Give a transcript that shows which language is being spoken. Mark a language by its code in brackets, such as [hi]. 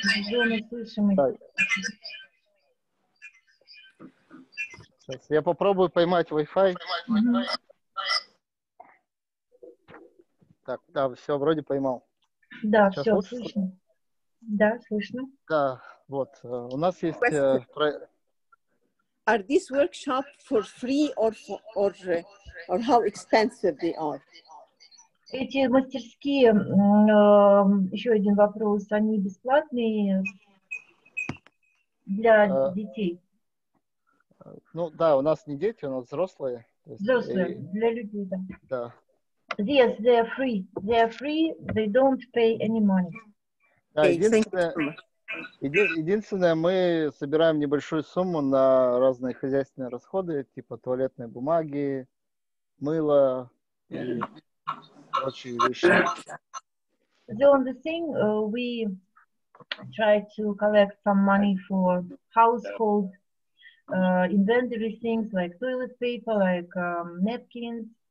[ru] Зону слышим. Да. Сейчас я попробую поймать Wi-Fi. Угу. Так, да, все, вроде поймал. Да, сейчас все, лучше, слышно. Что? Да, слышно. Да, вот, у нас есть... [en] Are these workshops for free or how expensive they are? [ru] Эти мастерские, еще один вопрос, они бесплатные для детей? Ну да, у нас не дети, у нас взрослые. Взрослые, для людей, да. Да. [en] Yes, they are free. They are free, they don't pay any money. [ru] Да, единственное, мы собираем небольшую сумму на разные хозяйственные расходы, типа туалетной бумаги, мыло и... [en] The only thing, we try to collect some money for household inventory things like toilet paper, like napkins.